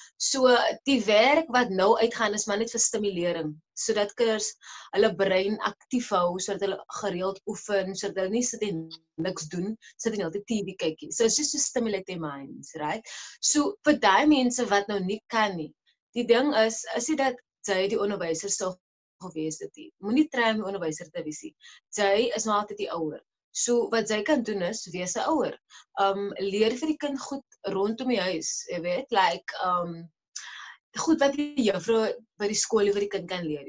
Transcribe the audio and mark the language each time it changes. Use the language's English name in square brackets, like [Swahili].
[Afrikaans] So die werk wat nou uitgaan is maar net vir stimulering, sodat kinders hulle brein aktief hou, sodat hulle gereeld oefen, sodat hulle nie sit en niks doen, sit en altyd TV kyk nie. [English] So it's just to stimulate their minds, right? [Afrikaans] So vir daai mense wat nou nie kan nie, die ding is dit dat jy die onderwyser sou gewees het. Moenie try om die onderwyser te wees nie. Jy is maar altyd die ouer. So wat jy kan doen is wees 'n ouer. Leer vir die kind goed rondom die huis, jy weet, like goed wat die juffrou by die skool vir die kind kan leer.